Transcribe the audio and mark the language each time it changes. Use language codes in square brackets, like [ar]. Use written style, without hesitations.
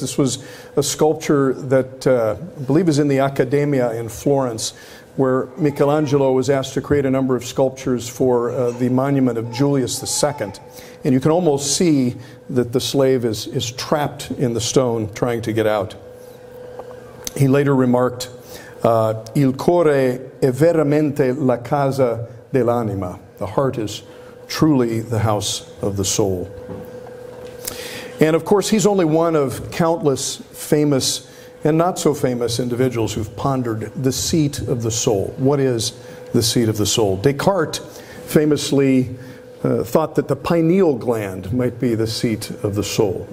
[en] This was a sculpture that I believe is in the Accademia in Florence, where Michelangelo was asked to create a number of sculptures for the monument of Julius II. And you can almost see that the slave is trapped in the stone trying to get out. [it] He later remarked, "Il cuore è veramente la casa dell'anima." [en] The heart is truly the house of the soul. And of course, he's only one of countless famous and not so famous individuals who've pondered the seat of the soul. What is the seat of the soul? Descartes famously thought that the pineal gland might be the seat of the soul.